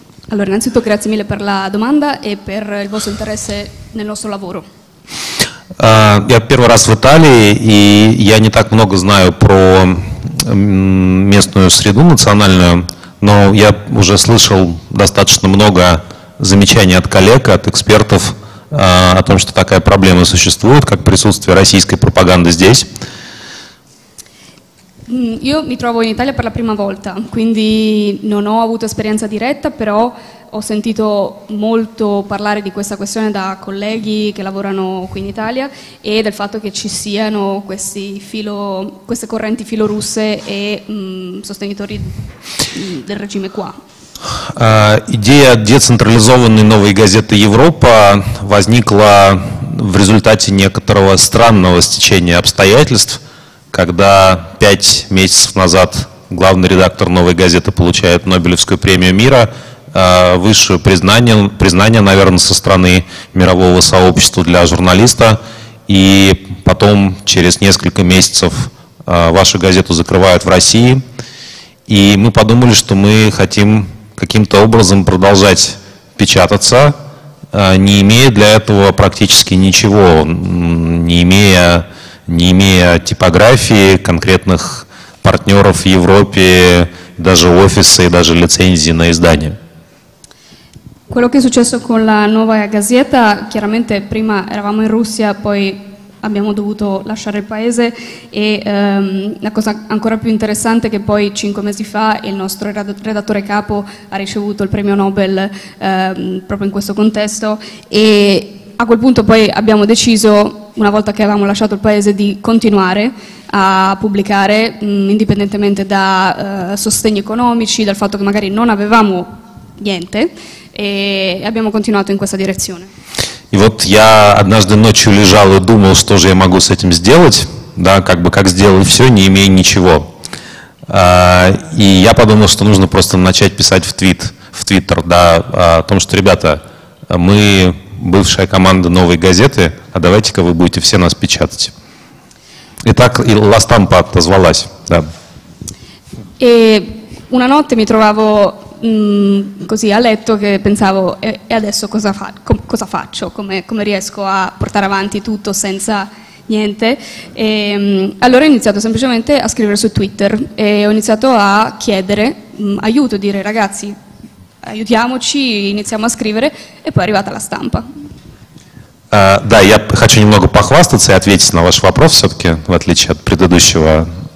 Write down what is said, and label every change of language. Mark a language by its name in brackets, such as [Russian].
[Italian] Allora, innanzitutto grazie mille per la domanda e per il vostro interesse nel nostro lavoro. [Russian] Я первый раз в Италии, и я не так много знаю про местную среду национальную, но я уже слышал достаточно много замечаний от коллег, от экспертов о том, что такая проблема существует, как присутствие российской пропаганды здесь. [Italian] Io mi trovo in Italia per la prima volta, quindi non ho avuto esperienza diretta, però ho sentito molto parlare di questa questione da colleghi che lavorano qui in Italia e del fatto che ci siano questi queste correnti filorusse e sostenitori del regime qua. [Russian] Идея децентрализованной новой газеты Европа возникла в результате некоторого странного стечения обстоятельств, когда 5 месяцев назад главный редактор новой газеты получает Нобелевскую премию мира. Высшее признание, наверное, со стороны мирового сообщества для журналиста. И потом, через несколько месяцев, вашу газету закрывают в России. И мы подумали, что мы хотим каким-то образом продолжать печататься, не имея для этого практически ничего, не имея типографии, конкретных партнеров в Европе, даже офиса и даже лицензии на издание. [Italian] Quello che è successo con la nuova Gazeta, chiaramente prima eravamo in Russia, poi abbiamo dovuto lasciare il paese e la cosa ancora più interessante è che poi 5 mesi fa il nostro redattore capo ha ricevuto il premio Nobel proprio in questo contesto, e a quel punto poi abbiamo deciso, una volta che avevamo lasciato il paese, di continuare a pubblicare indipendentemente da sostegni economici, dal fatto che magari non avevamo niente. e abbiamo continuato in questa direzione. [Russian] И вот я однажды ночью лежал и думал, что же я могу с этим сделать, да, как бы как сделать все, не имея ничего. И я подумал, что нужно просто начать писать в Твиттер, да, о том, что, ребята, мы бывшая команда «Новой газеты», а давайте-ка вы будете все нас печатать. И так и «Ла Стампа» отозвалась, да. [Italian] И una notte mi trovavo così a letto che pensavo e adesso cosa faccio, come riesco a portare avanti tutto senza niente, e allora ho iniziato semplicemente a scrivere su Twitter e ho iniziato a chiedere aiuto, dire ragazzi aiutiamoci, iniziamo a scrivere, e poi è arrivata la stampa. [Russian] Да, я хочу немного похвастаться и ответить на ваш вопрос все-таки, в отличие от предыдущего.